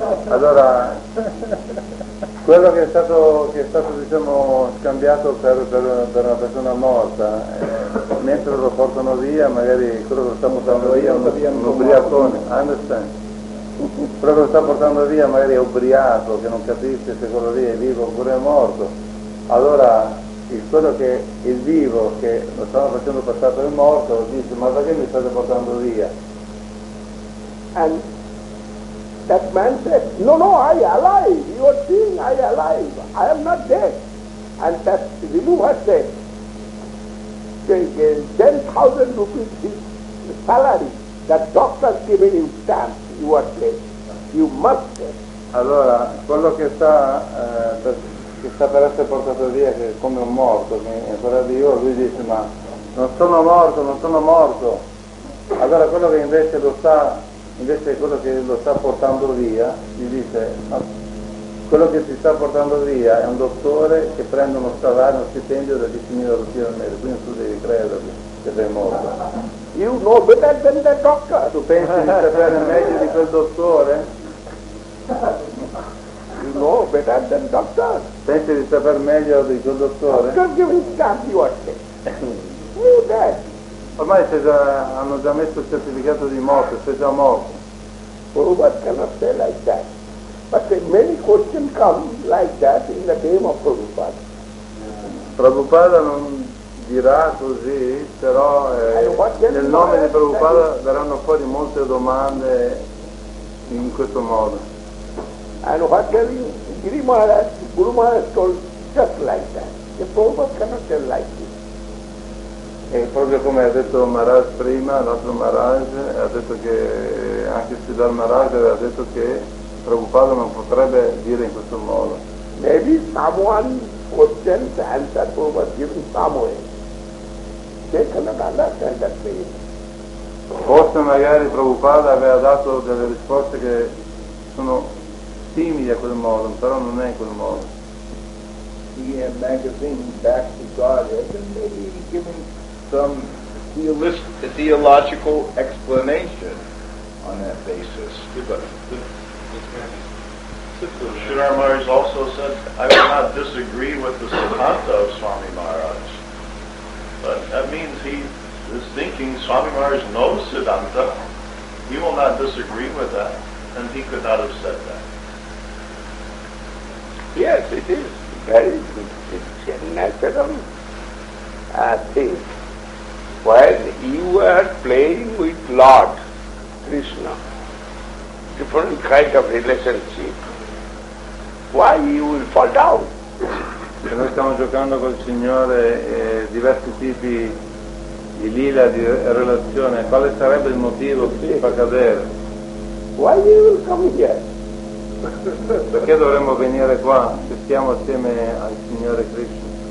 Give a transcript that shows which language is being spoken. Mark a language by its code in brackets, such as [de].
[it] Allora, quello che è stato diciamo scambiato per una persona morta, mentre lo portano via, magari quello che lo sta portando via un ubriacone, [en] understand? [it] Quello che lo sta portando via magari è ubriaco, che non capisce se quello lì è vivo oppure è morto. Allora quello che il vivo che lo stava facendo passare per morto dice, ma perché mi state portando via? [en] And that man said, no, I am alive, you are seeing, I am alive, I am not dead. And that remover said, they gave 10,000 rupees his salary, that doctor gave him stamp, you are dead, you must dead. [it] Allora, quello che sta per essere portato via, che come un morto, che è ancora vivo, lui dice, ma non sono morto. Allora, quello che invece lo sta... Invece quello che lo sta portando via, gli dice, ma quello che si sta portando via è un dottore che prende uno salario, uno stipendio da 10.000 rupie al mese, quindi tu devi credere che sei morto. [en] You know better than the doctor. [it] Tu pensi di sapere meglio di quel dottore? [en] You know better than doctor. [it] Pensi di sapere meglio di quel dottore? [en] Don't give me scamp, you are dead. You dead. [it] Ormai hanno già messo il certificato di morte, sei già morto. [en] Prabhupada cannot say like that. But many questions come like that in the name of Prabhupada. [it] Prabhupada non dirà così, però nel nome di Prabhupada verranno fuori molte domande in questo modo. [en] And what can Giri Maharaj, Guru Maharaj told just like that. The Prabhupada cannot say like this. [it] E proprio come ha detto Maharaj prima, l'altro Maharaj, ha detto che anche Siddhar Maharaj ha detto che Prabhupada non potrebbe dire in questo modo. [en] Maybe someone questions the answer Prabhupada giving somewhere. They cannot understand that thing. [it] Forse magari Prabhupada aveva dato delle risposte che sono simili a quel modo, però non è in quel modo. [en] He had magazine back to God, and maybe he giving some theological explanation on that basis. Sridhar Maharaj also said, I will not disagree with the Siddhanta of Swami Maharaj. But that means he is thinking Swami Maharaj knows Siddhanta. He will not disagree with that. And he could not have said that. Yes, it is very natural thing. While you are playing with Lord Krishna, different kind of relationship. why he will fall down. [it] Se noi stiamo giocando col Signore diversi tipi di lila, di relazione, quale sarebbe il motivo che ci fa cadere? [en] Why you will come here? [it] Perché dovremmo venire qua se stiamo assieme al Signore Cristo?